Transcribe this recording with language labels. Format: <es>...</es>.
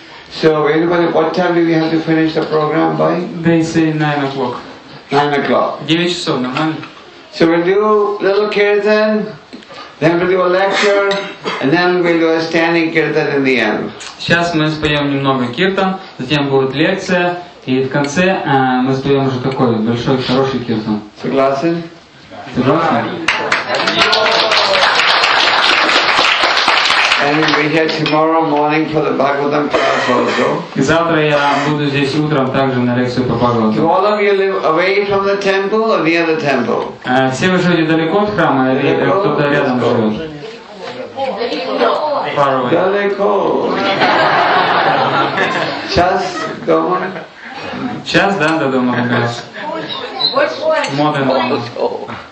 <en>So, anybody, what time do we have to finish the program by? They say 9 o'clock. 9 o'clock.</en> <ru>9 часов, нормально.</ru> <en>So, we'll do little kirtan, then we'll do a lecture, and then we'll do a standing kirtan in the end.</en> <ru>Сейчас мы споем немного киртан, затем будет лекция, и в конце мы споем уже такой большой, хороший киртан. Согласен? Согласен.</ru> <en>And we'll be here tomorrow morning for the Bhagavatam class also.</en> <ru>Завтра я буду здесь утром также на лекцию по Бхагаватам.</ru> <en>Do all of you live away from the temple or near the temple?</en> <ru>Все вы живете далеко от храма или кто-то рядом живет?</ru> <en>Far away.</en> <ru>Далеко. Час дома? Час, да, до дома как раз.</ru> <en>Modern one.</en>